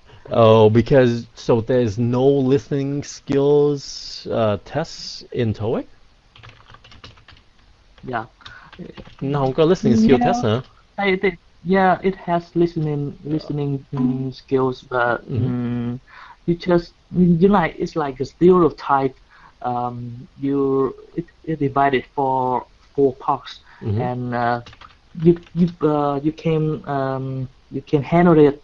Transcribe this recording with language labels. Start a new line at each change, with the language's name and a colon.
English: Oh, because so there's no listening skills tests in TOEIC? Yeah.
Vietnamese: Nó không có
English: listening skill test
Vietnamese: hả?
English: Yeah, it has listening skills, but you just you like it's like a stereotype. It divided for four parts, and you can handle it.